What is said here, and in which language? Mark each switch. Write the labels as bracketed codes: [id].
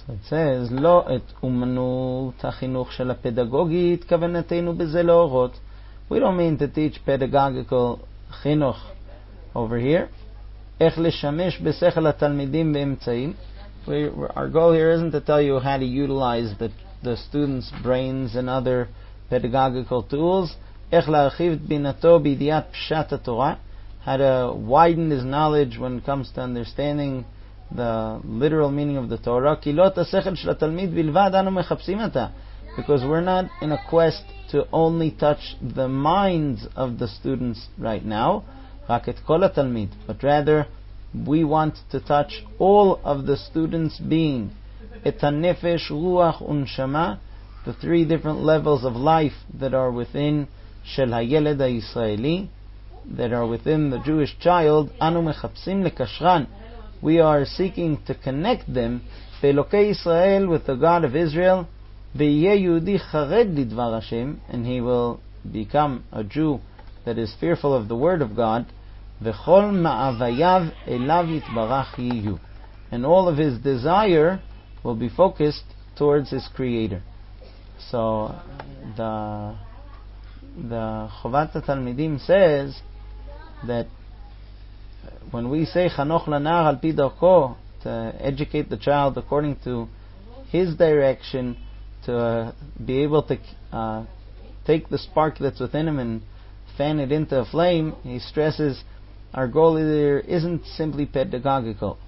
[he] זה לא את אומנות החינוך של הפדגוגית, כוונתנו בזה להורות. [en] We don't mean to teach pedagogical חינוך over here. [he] איך לשמש בשכל התלמידים באמצעים. [en] Our goal here isn't to tell you how to utilize the students' brains and other pedagogical tools. [he] איך להרחיב את בינתו בידיעת פשט התורה. [en] How to widen his knowledge when it comes to understanding the literal meaning of the Torah. [he] כי לא את השכל של התלמיד בלבד אנו מחפשים אתה. [en] Because we're not in a quest to only touch the minds of the students right now. [he] רק את כל התלמיד. [en] But rather, we want to touch all of the students' being. [he] את הנפש, רוח ונשמה. [en] The three different levels of life that are within [he] של הילד הישראלי. [en] That are within the Jewish child. [he] אנו מחפשים לקשרן. [en] We are seeking to connect them [he] באלוקי ישראל [en] with the God of Israel. [he] ויהיה יהודי חרד לדבר השם. [en] And he will become a Jew that is fearful of the word of God. [he] וכל מאוויו אליו יתברך יהיו. [en] And all of his desire will be focused towards his creator. So the Chovat HaTalmidim says that when we say Chanoch Lanar al pi darko, to educate the child according to his direction, to be able to take the spark that's within him and fan it into a flame, he stresses our goal there isn't simply pedagogical.